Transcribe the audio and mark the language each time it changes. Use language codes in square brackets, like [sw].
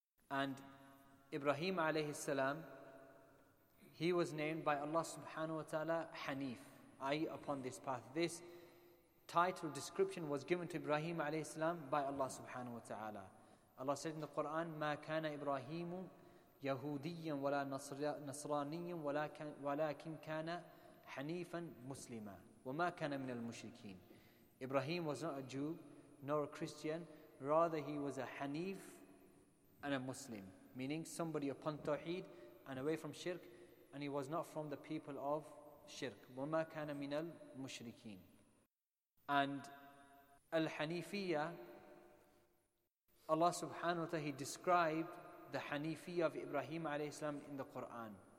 [en] And Ibrahim alayhi salam, he was named by Allah subhanahu wa ta'ala Hanif, i.e. upon this path. This title description was given to Ibrahim alayhi salam by Allah subhanahu wa ta'ala. Allah said in the Quran, [ar] مَا كَانَ إِبْرَاهِيمُ يَهُودِيًّا وَلَا نَصْرَانِيًّا وَلَكِنْ كَانَ حَنِيفًا مُسْلِمًا وَمَا كَانَ مِنَ الْمُشْرِكِينَ. [en] Ibrahim was not a Jew nor a Christian, rather he was a Hanif and a Muslim, meaning somebody upon Tawheed and away from Shirk, and he was not from the people of Shirk. [ar] وَمَا كَانَ مِنَ الْمُشْرِكِينَ. [en] And Al-Hanifiyya, Allah subhanahu wa ta'ala, he described the Hanifiyya of Ibrahim alayhi salam in the Quran.